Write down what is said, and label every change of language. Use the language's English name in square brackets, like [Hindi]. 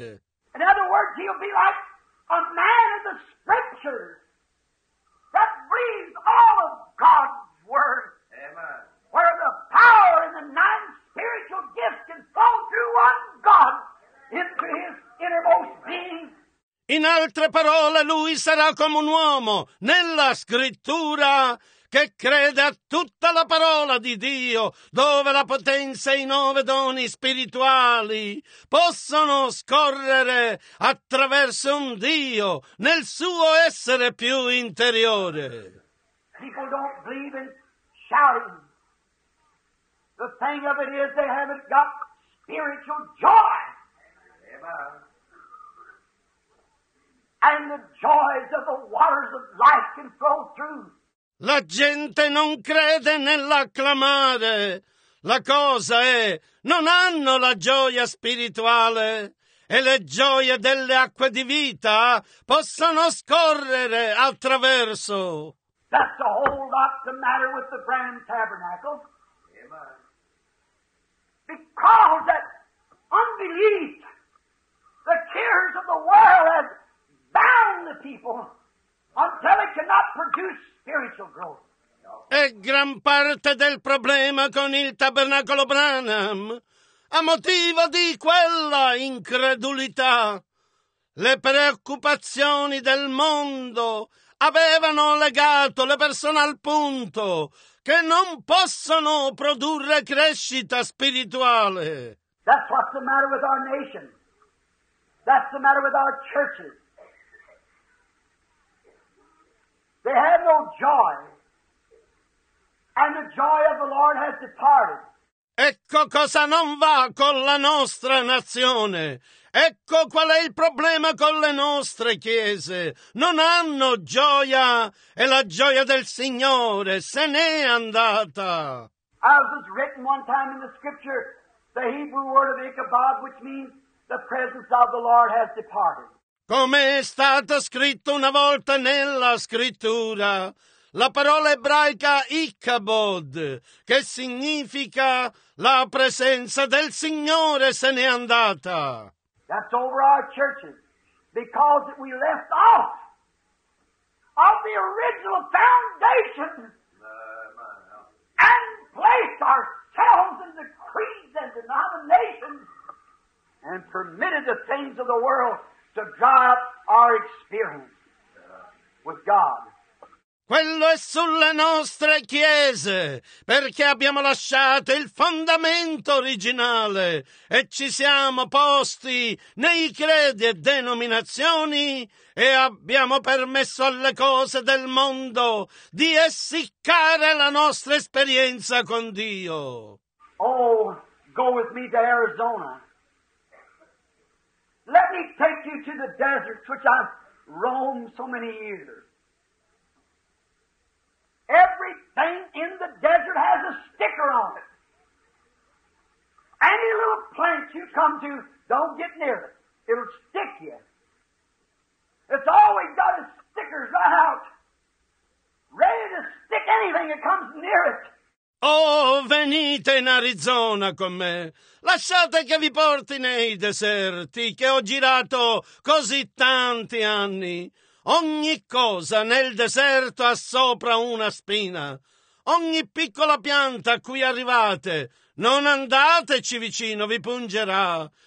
[English] In other words, he'll be like a man of the Scriptures that breathes all of God's Word. Amen. Where the power and the nine spiritual gifts can flow through one God into his innermost being. [Italian] In altre parole, lui sarà come un uomo nella Scrittura che crede a tutta la parola di Dio, dove la potenza e i nove doni spirituali possono scorrere attraverso un Dio nel suo essere più interiore. [English] People don't believe in shouting. The thing of it is they haven't got spiritual joy. And the joys of the waters of life can flow through. [Italian] La gente non crede nell'acclamare. La cosa è, non hanno la gioia spirituale e le gioie delle acque di vita possano scorrere attraverso. [English] That's a whole lot the matter with the grand tabernacle. Amen. Because that unbelief, the cares of the world has bound the people until it cannot produce spiritual growth. [Italian] E gran parte del problema con il tabernacolo Branham, a motivo di quella incredulità, le preoccupazioni del mondo avevano legato le persone al punto che non possono produrre crescita spirituale. [English] That's what's the matter with our nation. That's the matter with our churches. They have no joy. And the joy of the Lord has departed. [Italian] Ecco cosa non va con la nostra nazione. Ecco qual è il problema con le nostre chiese. Non hanno gioia e la gioia del Signore se n'è andata. [English] As is written one time in the scripture, the Hebrew word of Ichabod, which means the presence of the Lord has departed. [Italian] Come è stato scritto una volta nella scrittura, la parola ebraica Ichabod, che significa la presenza del Signore se n'è andata. [English] That's over our churches, because we left off of the original foundation and placed ourselves in the creeds and denominations and permitted the things of the world to dry up our experience with God. [Italian] Quello è sulle nostre chiese, perché abbiamo lasciato il fondamento originale e ci siamo posti nei credi e denominazioni e abbiamo permesso alle cose del mondo di essiccare la nostra esperienza con Dio. [English] Oh, go with me to Arizona. Let me take you to the desert which I've roamed so many years. Everything in the desert has a sticker on it. Any little plant you come to, don't get near it. It'll stick you. It's always got its stickers right out, ready to stick anything that comes near it. [Italian] Oh, venite in Arizona con me. Lasciate che vi porti nei deserti che ho girato così tanti anni. Ogni cosa nel deserto ha sopra una spina. Ogni piccola pianta a cui arrivate, non andateci vicino, vi pungerà.